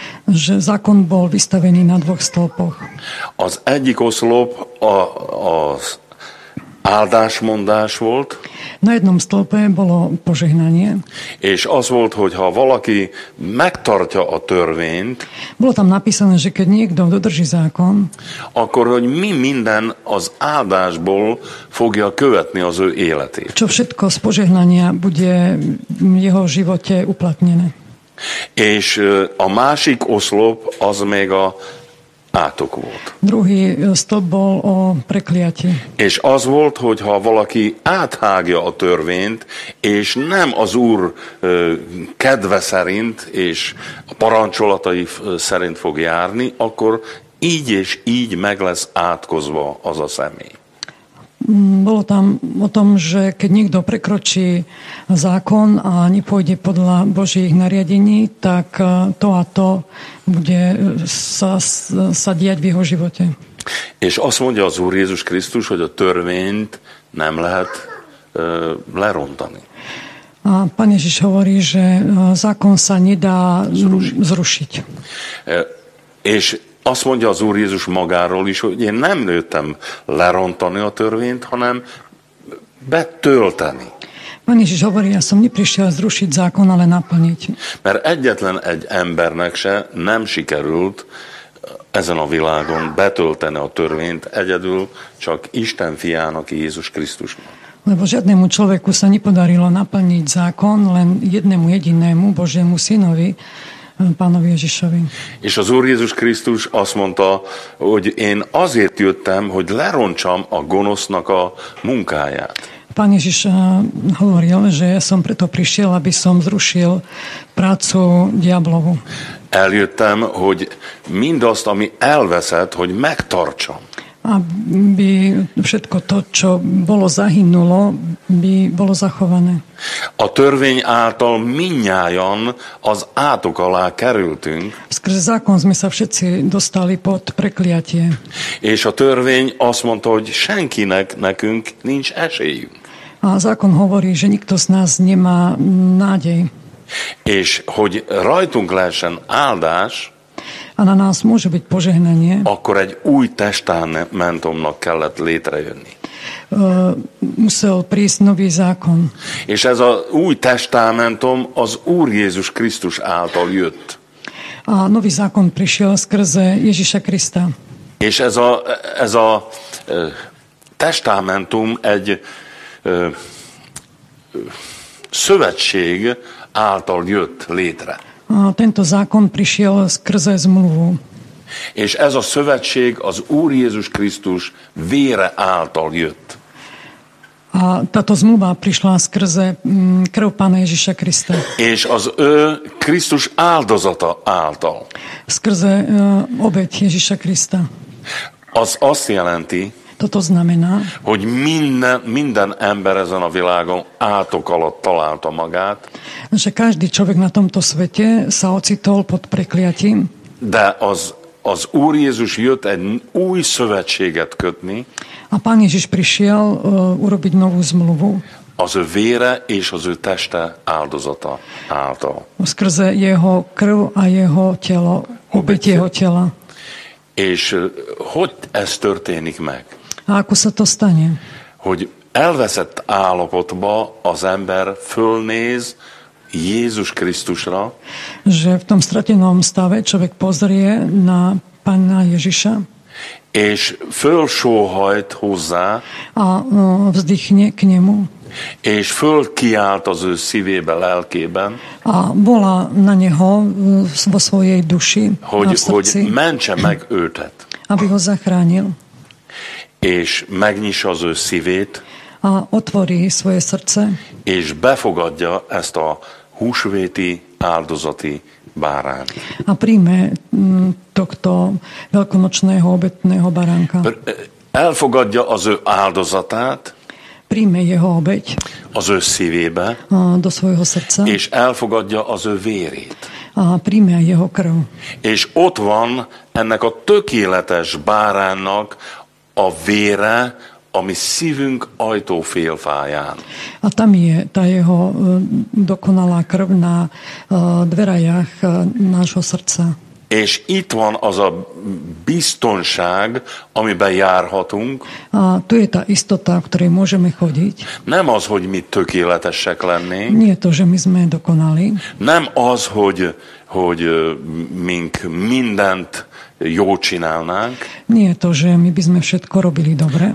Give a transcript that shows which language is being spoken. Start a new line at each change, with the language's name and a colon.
Slovak: Že zákon bol vystavený na dvoch stĺpoch.
Hungarian: Az egyik oszlop az áldásmondás volt.
Slovak: Na jednom stĺpe bolo požehnanie.
Hungarian: És az volt, hogy ha valaki megtartja a törvényt,
Slovak: bolo tam napísané, že keď niekto dodrží zákon,
Hungarian: akkor hogy mi minden az áldásból fogja követni az ő életét.
Slovak: Čo všetko z požehnania bude v jeho živote uplatnené.
Hungarian: És a másik oszlop az még a átok volt.
Slovak: Druhý stĺp bol o prekliatí.
Hungarian: És az volt, hogy ha valaki áthágja a törvényt, és nem az Úr kedve szerint, és a parancsolatai szerint fog járni, akkor így és így meg lesz átkozva az a személy.
Slovak: Bolo tam o tom, že keď niekto prekročí zákon a nepôjde podľa Božích nariadení, tak to a to bude sa diať v jeho živote.
Hungarian: És azt mondja az Úr Jézus Krisztus, hogy a törvényt nem lehet lerontani.
Slovak: A Pán Ježiš hovorí, že zákon sa nedá zrušiť.
Hungarian: És azt mondja az Úr Jézus magáról is, hogy én nem jöttem lerontani a törvényt, hanem betölteni.
Slovak: Pán Ježiš hovorí, ja som neprišiel zrušiť zákon, ale naplniť.
Hungarian: Mert egyetlen egy embernek se nem sikerült ezen a világon betölteni a törvényt egyedül, csak Isten fiának, Jézus Krisztusnak.
Slovak: Lebo žiadnemu človeku sa nepodarilo naplniť zákon, len jednému jedinému Božiemu synovi, Pánovi Ježišovi.
Hungarian: És az Úr Jézus Krisztus azt mondta, hogy én azért jöttem, hogy lerontsam a gonosznak a munkáját.
Slovak: Pán Ježiš hovoril, že ja som preto prišiel, aby som zrušil prácu diablovu.
Hungarian: Eljöttem, hogy mindazt, ami elveszett, hogy megtartsam.
Slovak: Aby všetko to, čo bolo zahynulo, by bolo zachované.
Hungarian: A törvény által minnyájan az átok alá kerültünk.
Slovak: Skrze zákon sme sa všetci dostali pod prekliatie.
Hungarian: És a törvény azt mondta, hogy senkinek nekünk nincs esélyünk.
Slovak: A zákon hovorí, že nikto z nás nemá nádej.
Hungarian: És hogy rajtunk lehessen áldás,
Slovak: a na nás môže byť požehnanie,
Hungarian: akkor egy új testamentumnak kellett létrejönni.
Slovak: Musel prísť nový zákon.
Hungarian: És ez a új testamentum az Úr Jézus Krisztus által jött.
Slovak: A nový zákon prišiel skrze Ježiša Krista.
Hungarian: És ez a testamentum egy szövetség által jött létre.
Slovak: A tento zákon prišiel skrze zmluvu.
Hungarian: És ez a szövetség az Úr Jézus Krisztus vére által jött.
Slovak: A táto zmluva prišla skrze krv Pána Ježiša Krista.
Hungarian: És az ő Krisztus áldozata által.
Slovak: Skrze obeť Ježiša Krista.
Hungarian: Az azt jelenti,
Slovak: toto znamená,
Hungarian: hogy minden ember ezen a világon átok alatt találta magát.
Slovak: Že každý človek na tomto svete sa ocitol pod prekliatím.
Hungarian: De az Úr Jézus jött egy új szövetséget kötni.
Slovak: A Pán Ježiš prišiel urobiť novú zmluvu.
Hungarian: Az ő vére és az ő teste áldozata által.
Slovak: Skrze jeho krv a jeho telo, obeť jeho tela.
Hungarian: És hogy ez történik meg?
Slovak: A ako sa to stane?
Hungarian: Hogy elveszett állapotba az ember fölnéz Jézus Krisztusra.
Slovak: Že v tom stratenom stave človek pozrie na Pána Ježiša.
Hungarian: És fölsóhajt hozzá.
Slovak: A vzdychne k nemu.
Hungarian: És fölkiált az ő szívébe, lelkében.
Slovak: A volá na neho vo svojej duši,
Hungarian: hogy,
Slovak: na srdci.
Hungarian: Hogy mentse meg őtet.
Slovak: Aby ho zachránil.
Hungarian: És megnyissa az ő szívét.
Slovak: A otvorí svoje srdce.
Hungarian: És befogadja ezt a húsvéti áldozati báránt.
Slovak: A príjme tohto veľkonočného obetného baránka.
Hungarian: Elfogadja az ő áldozatát.
Slovak: Príjme jeho obeť.
Hungarian: Az ő szívébe.
Slovak: A do svojho srdca.
Hungarian: És elfogadja az ő vérét.
Slovak: A príjme jeho krv.
Hungarian: És ott van ennek a tökéletes báránnak a vére, ami szívünk ajtófélfáján.
Slovak: A tam je ta jeho dokonalá krv na dverajach nášho srdca.
Hungarian: És itt van az a biztonság, amiben járhatunk.
Slovak: A tu je ta istota, v ktorej môžeme chodiť.
Hungarian: Nem az, hogy mi tökéletesek lennénk.
Slovak: Nie to, že my sme dokonali.
Hungarian: Nem az, hogy mink mindent jó csinálnánk.
Slovak: Nie to, že my by sme všetko robili dobre.